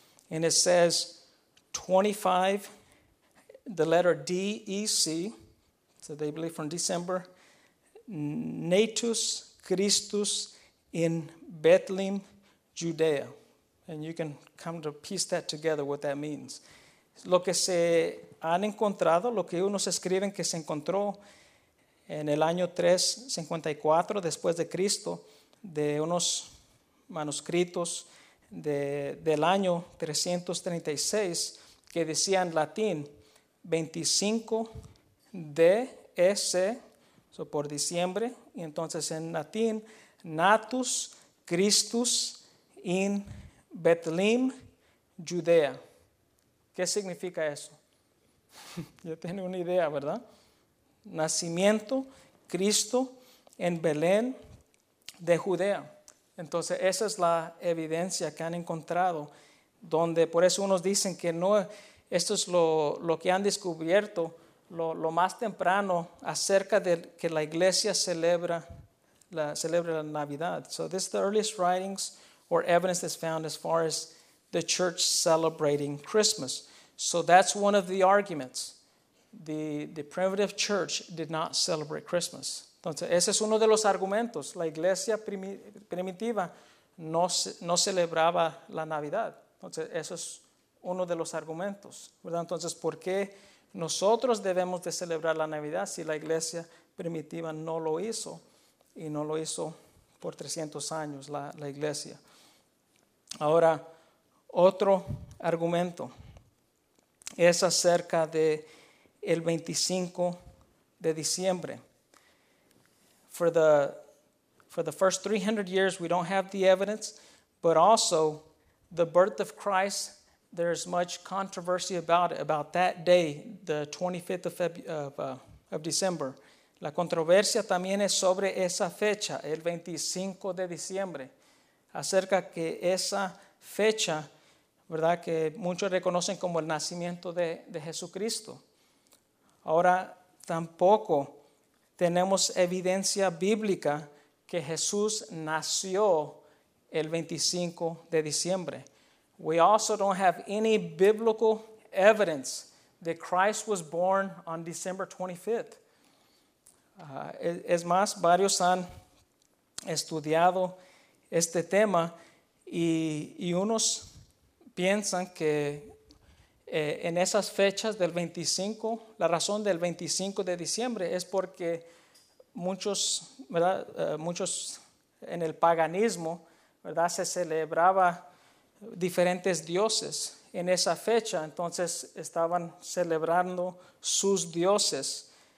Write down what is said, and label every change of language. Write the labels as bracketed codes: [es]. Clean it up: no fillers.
[en] And it says 25, the letter D-E-C, so they believe from December, [la] Natus Christus in Bethlehem, Judea. [en] And you can come to piece that together, what that means. [es] Lo que se han encontrado, lo que unos escriben que se encontró en el año 354 después de Cristo, de unos manuscritos del año 336 que decía en latín 25 D.S., so por diciembre, y entonces en latín, [la] Natus Christus in Bethlehem, Judea. [es] ¿Qué significa eso? Ya tiene una idea, ¿verdad? Nacimiento, Cristo en Belén de Judea. Entonces, esa es la evidencia que han encontrado, donde por eso unos dicen que no, esto es lo que han descubierto, lo más temprano acerca de que la iglesia celebra la Navidad. [en] So this is the earliest writings or evidence that's found as far as the church celebrating Christmas. So that's one of the arguments. The primitive church did not celebrate Christmas. [es] Entonces, ese es uno de los argumentos. La iglesia primitiva no celebraba la Navidad. Entonces, eso es uno de los argumentos, ¿verdad? Entonces, ¿por qué nosotros debemos de celebrar la Navidad si la iglesia primitiva no lo hizo? Y no lo hizo por 300 años la iglesia. Ahora, otro argumento es acerca de el 25 de diciembre. [en] For the first 300 years, we don't have the evidence, but also the birth of Christ, there's much controversy about that day, the 25th of December. [es] La controversia también es sobre esa fecha, el 25 de diciembre, acerca que esa fecha, ¿verdad?, que muchos reconocen como el nacimiento de Jesucristo. Ahora, tampoco tenemos evidencia bíblica que Jesús nació el 25 de diciembre. [en] We also don't have any biblical evidence that Christ was born on December 25th. [es] Es más, varios han estudiado este tema y unos piensan que en esas fechas del 25, la razón del 25 de diciembre es porque muchos, ¿verdad?, muchos en el paganismo, ¿verdad?, se celebraba diferentes dioses en esa fecha, entonces estaban celebrando sus dioses.